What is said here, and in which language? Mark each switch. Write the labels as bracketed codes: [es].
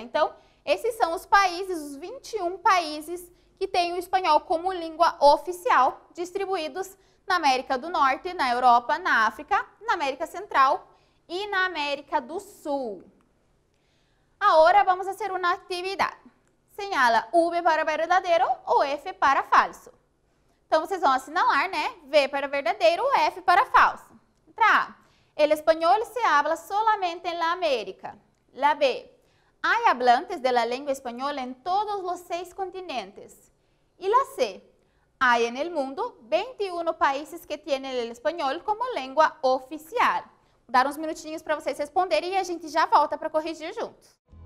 [pt] Então, esses são os países, os 21 países que têm o espanhol como língua oficial, distribuídos na América do Norte, na Europa, na África, na América Central e na América do Sul. Agora vamos fazer uma atividade. Señala V para verdadeiro ou F para falso. Então, vocês vão assinalar, né? V para verdadeiro, F para falso. Letra A. [es] El español se habla solamente en la América. La B. Hay hablantes de la lengua española en todos los 6 continentes. Y la C. Hay en el mundo 21 países que tienen el español como lengua oficial. [pt] Vou dar uns minutinhos para vocês responderem e a gente já volta para corrigir juntos.